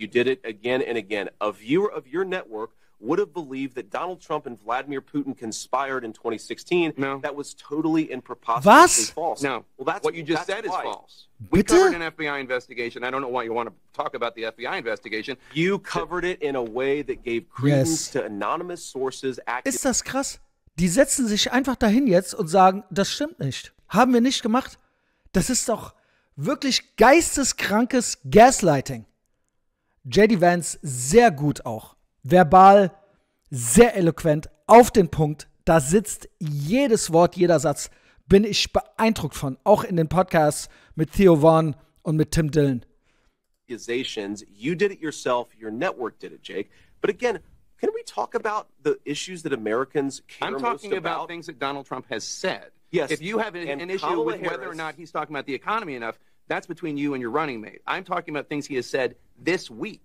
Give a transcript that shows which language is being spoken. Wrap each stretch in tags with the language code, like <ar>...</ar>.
<en>You did it again and again. A viewer of your network would have believed that Donald Trump and Vladimir Putin conspired in 2016. No. That was totally and preposterously false. No. Well, that's what you just said is false. We covered an FBI investigation. I don't know why you want to talk about the FBI investigation. You covered it in a way that gave credence to anonymous sources.</en> <de>Ist das krass? Die setzen sich einfach dahin jetzt und sagen, das stimmt nicht. Haben wir nicht gemacht? Das ist doch wirklich geisteskrankes Gaslighting. J.D. Vance, sehr gut auch. Verbal, sehr eloquent, auf den Punkt, da sitzt jedes Wort, jeder Satz, bin ich beeindruckt von, auch in den Podcasts mit Theo Vaughn und mit Tim Dillon.</de> <en>You did it yourself, your network did it, Jake. But again, can we talk about the issues that Americans care most about? I'm talking about things that Donald Trump has said. Yes. If you have an issue Kamala with Harris, whether or not he's talking about the economy enough, that's between you and your running mate. I'm talking about things he has said this week.</en>